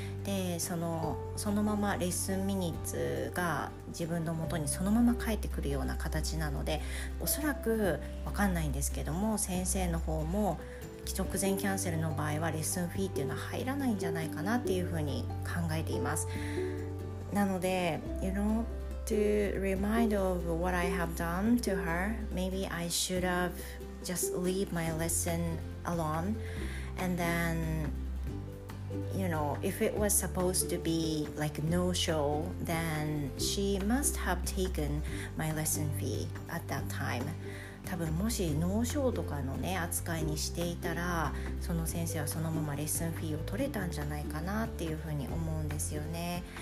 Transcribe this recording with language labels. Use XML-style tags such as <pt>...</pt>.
<ja>で、そのままレッスンミニッツが自分の元にそのまま返ってくるような形なので、おそらく分かんないんですけども、先生の方も直前キャンセルの場合はレッスンフィーっていうのは入らないんじゃないかなっていうふうに考えています。</ja> <en>なので You know, to remind of what I have done to her, maybe I should have just leave my lesson alone and thenYou know, if it was supposed to be like no show, then she must have taken my lesson fee at that time.</en> <ja>多分もしノーショーとかのね扱いにしていたら、その先生はそのままレッスンフィーを取れたんじゃないかなっていうふうに思うんですよね。</ja>